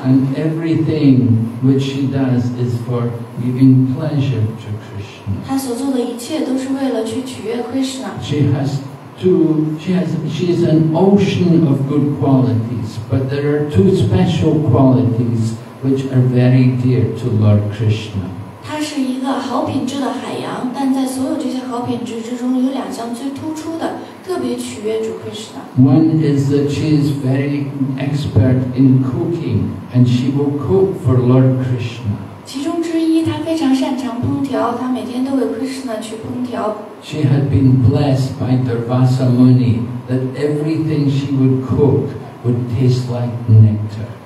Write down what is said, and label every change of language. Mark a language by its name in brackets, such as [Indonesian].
[English] And everything which she does is for giving pleasure to Krishna. [Chinese] 她所做的一切都是为了去取悦 Krishna. [English] She is an ocean of good qualities, but there are two special qualities which are very dear to Lord Krishna. [Chinese] 她是一个好品质的海洋，但在所有这些好品质之中，有两项最突出的，特别取悦主 Krishna. [English] One is that she is very expert in cooking, and she will cook for Lord Krishna. [Chinese] 其中之一，她非常擅长烹调，她每天都为 Krishna 去烹调。 [English] She had been blessed by Durvasa Muni that everything she would cook would taste like nectar.